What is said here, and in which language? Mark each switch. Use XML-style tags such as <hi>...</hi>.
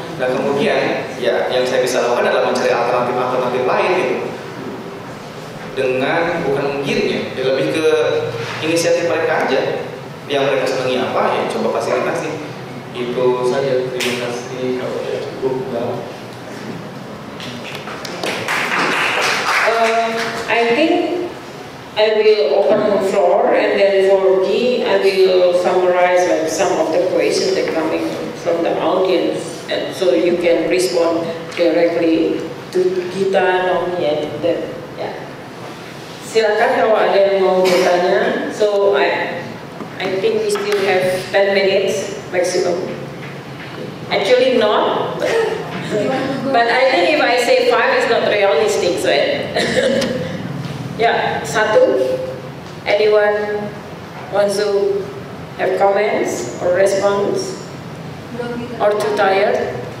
<id>Dan kemudian ya yang saya bisa lakukan adalah mencari alternatif-alternatif lain gitu, dengan bukan menggiring ya, lebih ke inisiatif mereka aja, yang mereka senangi apa ya coba fasilitasi. Itu saja, terima kasih kalau sudah cukup.</id> <en>I think I will open the floor and then for G, I will summarize like some of the questions that coming from the audience, and so you can respond directly to Gita, Nomi, and then yeah.</en> <id>Silakan kalau ada yang mau bertanya.</id> <en>So I think we still have 10 minutes maximum. Actually not, but I think if I say 5, it's not realistic, so it. Yeah,</en> <id>satu,</id> <en>anyone wants to have comments or response or too tired?</en>